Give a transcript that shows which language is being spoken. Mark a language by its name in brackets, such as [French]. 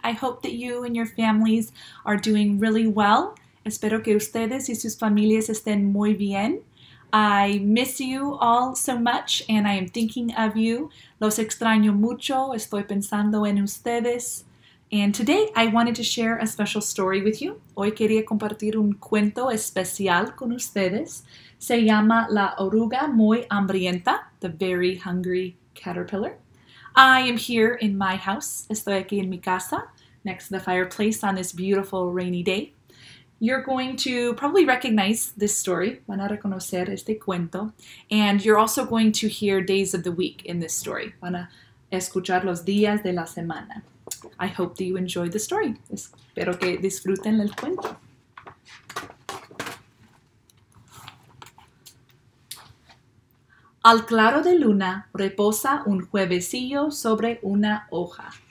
[English] I hope that you and your families are doing really well. [Spanish] Espero que ustedes y sus familias estén muy bien. [English] I miss you all so much and I am thinking of you. [Spanish] Los extraño mucho, estoy pensando en ustedes. [English] And today I wanted to share a special story with you. [Spanish] Hoy quería compartir un cuento especial con ustedes. Se llama La Oruga Muy Hambrienta, [English] The Very Hungry Caterpillar. I am here in my house. [Spanish] Estoy aquí en mi casa, [English] next to the fireplace on this beautiful rainy day. You're going to probably recognize this story. [Spanish] Van a reconocer este cuento. [English] And you're also going to hear days of the week in this story. [Spanish] Van a escuchar los días de la semana. [English] I hope that you enjoy the story. [Spanish] Espero que disfruten el cuento. Al claro de luna reposa un juevecillo sobre una hoja.